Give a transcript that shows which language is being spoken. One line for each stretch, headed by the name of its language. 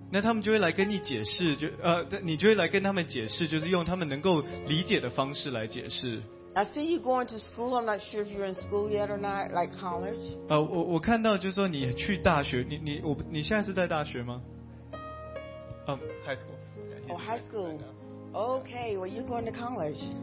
Chinese: 那他们就会来跟你解释，你就会来跟他们解释，就是用他们能够理解的方式来解释。
English: I see you going to school. I'm not sure if you're in school yet or not, like college.
Chinese: 我看到就是说你去大学，你现在是在大学吗？
English: High school. Oh, high school. Okay, well, you're going to college.